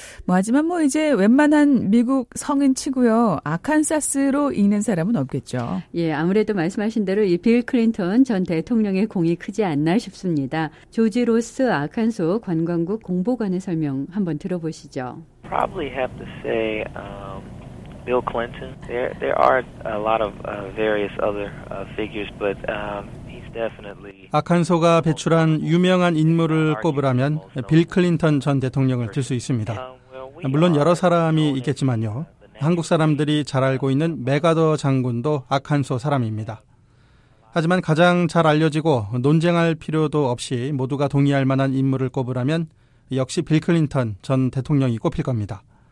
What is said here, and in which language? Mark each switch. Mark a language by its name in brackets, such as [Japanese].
[Korean] 뭐 하지만 뭐 이제 웬만한 미국 성인 치고요. 아칸사스로 읽는 사람은 없겠죠. 예, 아무래도 말씀하신 대로 이 빌 클린턴 전 대통령의 공이 크지 않나 싶습니다. 조지 로스 아칸소 관광국 공보관의 설명 한번 들어보시죠. [English] Probably have to say Bill Clinton. There are a lot of various other figures, but he's definitely [Korean] 아칸소가 배출한 유명한 인물을 꼽으라면 빌 클린턴 전 대통령을 들 수 있습니다. 물론 여러 사람이 있겠지만요. 한국 사람들이 잘 알고 있는 맥아더 장군도 아칸소 사람입니다. 하지만 가장 잘 알려지고 논쟁할 필요도 없이 모두가 동의할 만한 인물을 꼽으라면 역시 빌 클린턴 전 대통령이 꼽힐 겁니다.